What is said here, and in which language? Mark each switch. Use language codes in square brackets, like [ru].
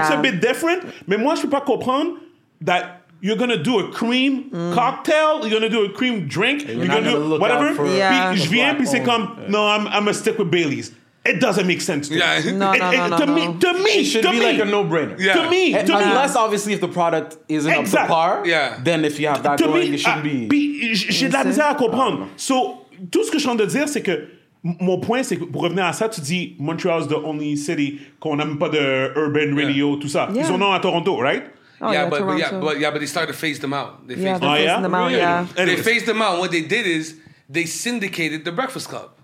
[en] It's a bit different. [fr] Mais moi, je peux pas comprendre [en] that you're going to do a cream cocktail, you're going to do a cream drink, and you're going to do whatever. Yeah. [fr] Puis je viens, puis c'est comme, [en] I'm going to stick with Bailey's. It doesn't make sense to me. To me, it should be like a no-brainer. Yeah. To me. Unless, obviously, if the product isn't up to par, then if you have that to going, me, it should be... [fr] J'ai de la misère à comprendre. So, tout ce que je suis en train de dire, c'est que mon point, c'est que pour revenir à ça, tu dis [en] Montreal is the only city [fr] qu'on n'aime pas de urban radio, tout ça. [en] Yeah. [fr] Ils ont à Toronto, [en] right? But they started to phase them out. They phased them out. What they did is they syndicated the Breakfast Club.